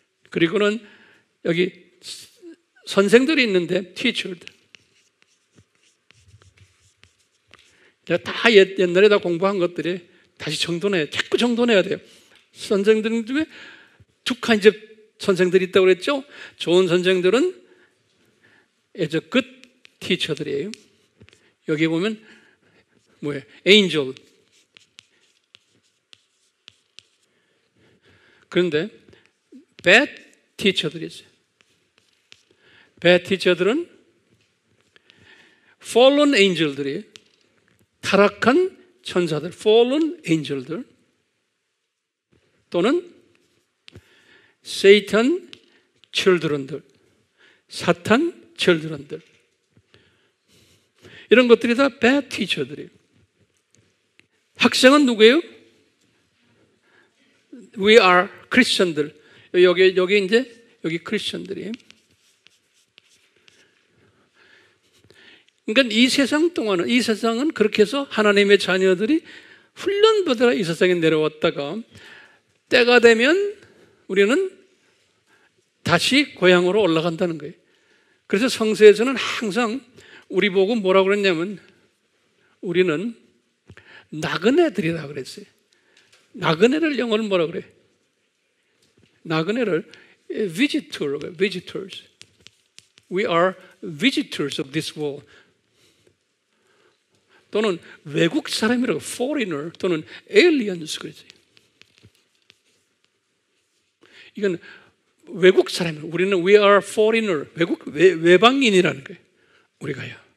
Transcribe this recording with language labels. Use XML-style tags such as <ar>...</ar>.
<ko>그리고는 여기 선생들이 있는데 teachers. 다 옛날에 다 공부한 것들이 다시 정돈해요. 자꾸 정돈해야 돼요. 선생들 중에 두 칸의 선생들이 있다고 그랬죠? 좋은 선생들은</ko> <en>as a good teacher들이에요.</en> <ko>여기 보면 뭐예요? Angel. 그런데 bad teacher들이 있어요.</ko> <en>Bad teacher들은 fallen angel들이에요.</en> <ko>타락한 천사들, fallen angel들 또는 Satan children들, 사탄 children들 이런 것들이 다 bad teacher들이에요. 학생은 누구예요?</ko> <en>We are Christian들.</en> <ko>여기 이제 여기 Christian들이에요. 그러니까 이 세상 동안은 이 세상은 그렇게 해서 하나님의 자녀들이 훈련받으러 이 세상에 내려왔다가 때가 되면 우리는 다시 고향으로 올라간다는 거예요. 그래서 성서에서는 항상 우리 보고 뭐라고 그랬냐면 우리는 나그네들이라고 그랬어요. 나그네를 영어로 뭐라고 그래? 나그네를 visitors.</ko> <en>We are visitors of this world.</en> <ko>또는 외국 사람이라고 foreigner 또는 aliens 그러지. 이건 외국 사람이에요. 우리는</ko> <en>we are foreigner</en> <ko>외방인이라는 거예요. 우리가요.</ko>